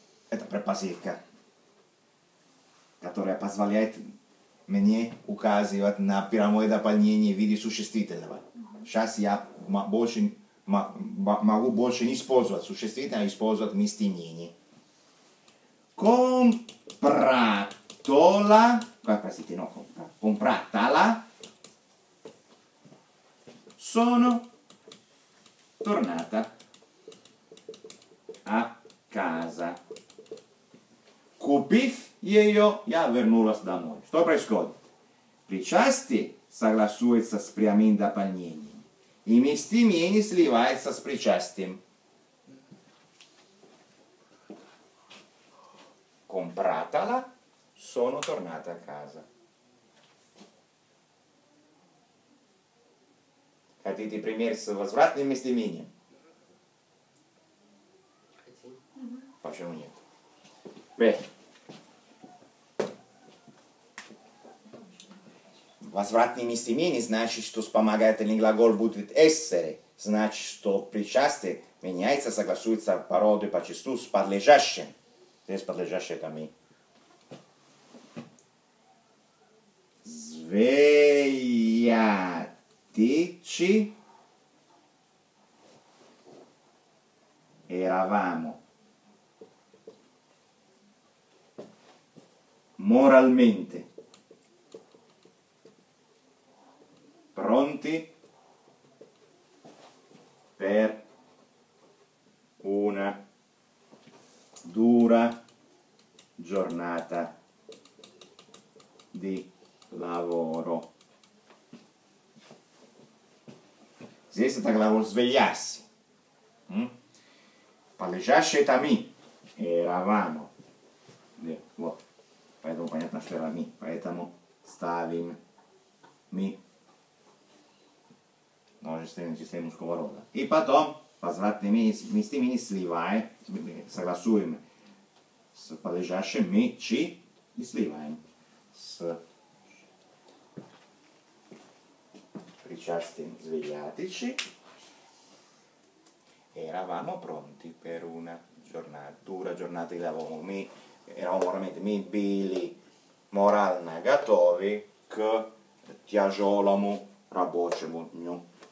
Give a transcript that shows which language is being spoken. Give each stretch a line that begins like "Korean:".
Russian: Это препосылка, которая позволяет мне указывать на прямое дополнение в виде существительного. Сейчас я больше, могу больше не использовать существительное, а использовать местоимение.
Italian: Compratola,
Russian: простите, но
Italian: compratala, sono tornata a casa.
Russian: Купив ее, я вернулась домой. Что происходит? Причастие согласуется с прямым дополнением. И местоимение сливается с причастием.
Italian: Compratala, sono tornata a casa.
Russian: Хотите пример с возвратным местоимением? Хотим. Почему нет? Возвратное местоимение значит, что вспомогательный глагол будет «эссере», значит, что причастие меняется, согласуется по роду и по числу с подлежащим. Здесь подлежащее – это «мы».
Italian: Sveglatici eravamo moralmente pronti per una dura giornata di lavoro.
Russian: Здесь это глагол «svegliarsi». Полежащее это «мы». Eravamo. Вот. Поэтому понятно, что это «мы». Поэтому ставим «мы». Множественное число мужского рода. И потом возвратное местоимение сливаем, согласуем с подлежащим «мы», «чи» и сливаем с причастием «svegliatici».
Italian: Eravamo pronti per una giornata, dura giornata di lavoro. Mi, eravamo veramente
Russian: «мы были морально готовы к тяжелому рабочему дню».